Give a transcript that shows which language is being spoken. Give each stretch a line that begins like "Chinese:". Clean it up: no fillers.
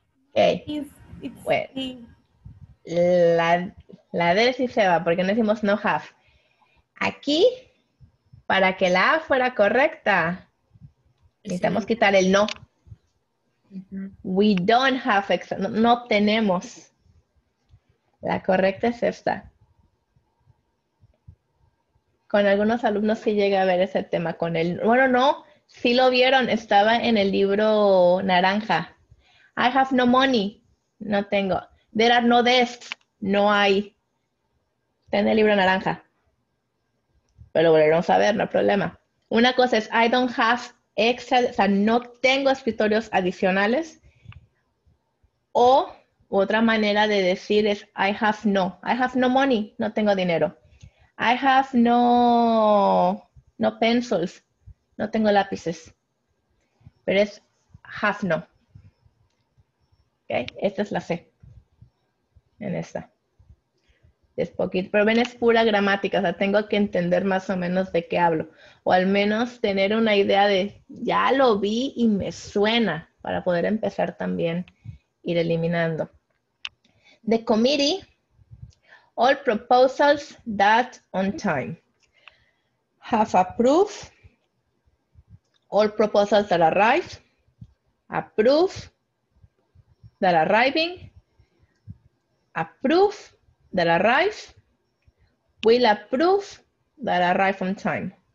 Spanish: Ok. Bueno, la D sí se va, porque no decimos no have. Aquí, para que la A fuera correcta, necesitamos sí quitar el no. Uh-huh.
English: We don't have extra,
Spanish: no, no tenemos. La correcta es esta. Con algunos alumnos sí llegué a ver ese tema con él. Bueno, no, sí lo vieron, estaba en el libro naranja.
English: I have no money,
Spanish: no tengo.
English: There are no desks,
Spanish: no hay. Está en el libro naranja. Pero volveremos a ver, no hay problema. Una cosa es,
English: I don't have extra,
Spanish: o sea, no tengo escritorios adicionales. O otra manera de decir es,
English: I have no money,
Spanish: no tengo dinero.
English: I have no pencils,
Spanish: no tengo lápices, pero es
English: have no.
Spanish: Okay, esta es la C, en esta. Es poquito, pero ven, es pura gramática, o sea, tengo que entender más o menos de qué hablo, o al menos tener una idea de, ya lo vi y me suena, para poder empezar también ir eliminando.
English: The committee... All proposals that on time have approved. All proposals that arrive. Approve that arriving. Approve that arrive. Will approve that arrive on time.